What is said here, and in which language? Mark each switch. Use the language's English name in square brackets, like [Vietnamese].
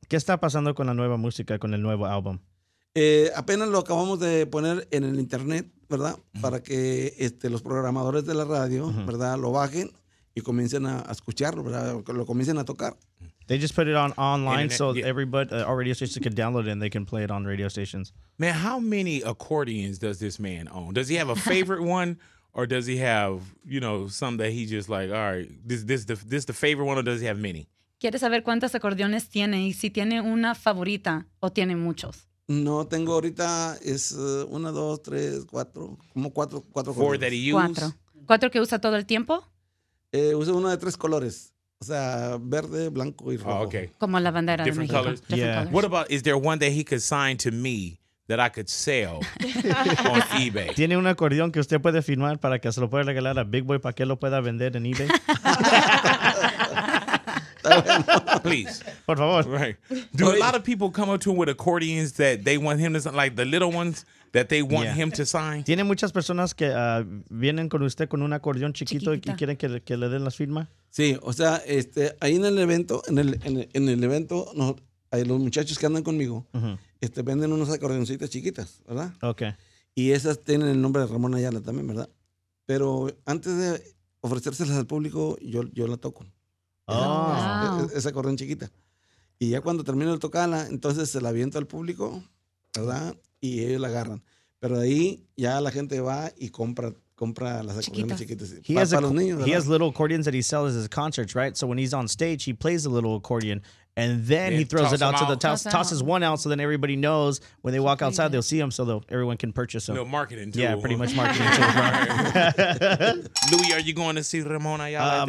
[Spanish] ¿Qué está pasando con la nueva música, con el nuevo álbum? Apenas lo acabamos de poner en el internet, ¿verdad? Mm-hmm. Para que los programadores de la radio, mm-hmm. ¿verdad? Lo bajen y comiencen a escucharlo, ¿verdad? Lo comiencen a tocar. [English] They just put it on online internet, so yeah. Everybody, all radio stations can download it and they can play it on radio stations. Man, how many accordions does this man own? Does he have a favorite one? Or does he have, you know, some that he just like, all right, this the favorite one, or does he have many? [Spanish] ¿Quieres saber cuántas acordeones tiene y si tiene una favorita o tiene muchos? No, tengo ahorita es una, dos, tres, cuatro, como cuatro. [English] Four that he uses. [Spanish] Cuatro que usa todo el tiempo. Usa uno de tres colores, o sea, verde, blanco y rojo. [English] Oh, okay. [Spanish] Como la bandera [English] Different [Spanish] de México. [English] Colors? Different colors. Yeah. What about? Is there one that he could sign to me? That I could sell on eBay. [Spanish] Tiene un acordeón que usted puede firmar para que se lo pueda regalar a Big Boy para que lo pueda vender en eBay. [English] Please. [Spanish] Por favor. [English] Right. Do a lot of people come up to him with accordions that they want him to sign, like the little ones that they want him to sign? [Spanish] Tiene muchas personas que vienen con usted con un acordeón chiquito y quieren que le den las firmas. Sí, o sea, ahí en el evento, no, hay los muchachos que andan conmigo. Uh-huh. Venden unos acordeoncitos chiquitas, ¿verdad? Ok. Y esas tienen el nombre de Ramón Ayala también, ¿verdad? Pero antes de ofrecérselas al público, yo la toco. Oh. Esa acordeón chiquita. Y ya cuando termino de tocarla, entonces se la aviento al público, ¿verdad? Y ellos la agarran. Pero de ahí ya la gente va y compra las acordeones chiquitas. Para los niños, ¿verdad? [English] He has little accordions that he sells at his concerts, right? So when he's on stage, he plays a little accordeon. And then he throws it out to the tosses one out, so then everybody knows when they walk outside, they'll see him, so everyone can purchase him. No marketing tool. Yeah, pretty much marketing tool. Louis, are you going to see Ramon Ayala?